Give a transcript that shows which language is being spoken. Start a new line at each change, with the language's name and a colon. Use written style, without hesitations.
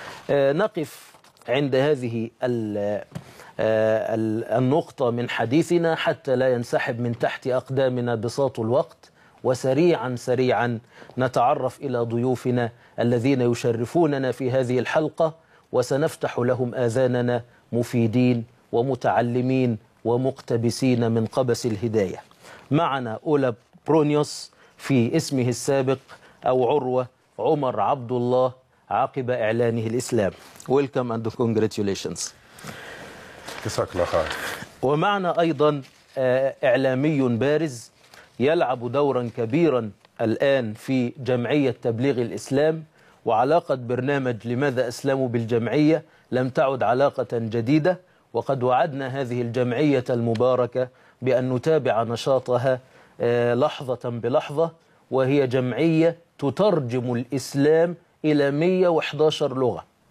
Arabic: نقف عند هذه النقطة من حديثنا حتى لا ينسحب من تحت أقدامنا بساط الوقت، وسريعا سريعا نتعرف إلى ضيوفنا الذين يشرفوننا في هذه الحلقة، وسنفتح لهم آذاننا مفيدين ومتعلمين ومقتبسين من قبس الهداية. معنا أولى برونيوس في اسمه السابق أو عروة عمر عبد الله عقب إعلانه الإسلام.
English: Welcome and congratulations.
Arabic: كساك الله خير. ومعنا أيضا إعلامي بارز يلعب دورا كبيرا الآن في جمعية تبليغ الإسلام، وعلاقة برنامج لماذا أسلموا بالجمعية لم تعد علاقة جديدة، وقد وعدنا هذه الجمعية المباركة بأن نتابع نشاطها لحظة بلحظة، وهي جمعية تترجم الإسلام إلى 111 لغة.